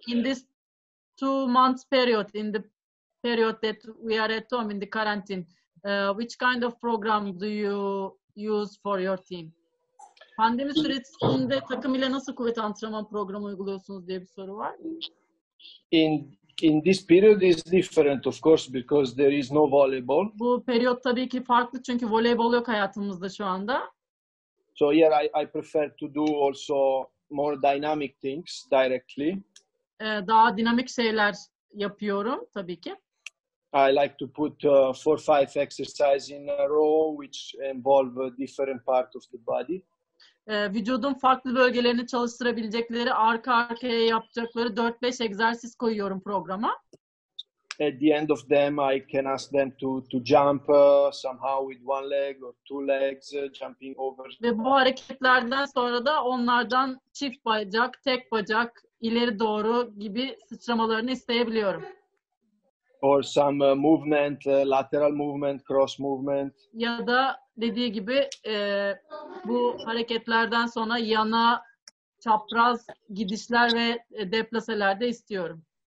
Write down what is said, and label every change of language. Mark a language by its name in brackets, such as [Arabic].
[English] In this 2 months period, in the period that we are at home in the quarantine, which kind of program do you use for your team? [Turkish] Pandemi sürecinde takım ile nasıl kuvvet antrenman programı uyguluyorsunuz diye bir soru var. [English] In this period is different of course because there is no volleyball. [Turkish] Bu periyot tabii ki farklı çünkü voleybol yok hayatımızda şu anda. [English] So yeah, I prefer to do also more dynamic things directly. [Turkish] Daha dinamik şeyler yapıyorum tabii ki. [English] I like to put 4-5 exercises in a row which involve different parts of the body. [Turkish] Vücudun farklı bölgelerini çalıştırabilecekleri, arka arkaya yapacakları 4-5 egzersiz koyuyorum programa. [English] At the end of them I can ask them to jump somehow with one leg or two legs jumping over. [Turkish] Ve bu hareketlerden sonra da onlardan çift bacak, tek bacak, ileri doğru gibi sıçramalarını isteyebiliyorum. [English] Or some movement, lateral movement, cross movement. [Turkish] Ya da dediği gibi bu hareketlerden sonra yana çapraz gidişler ve deplaseler de istiyorum.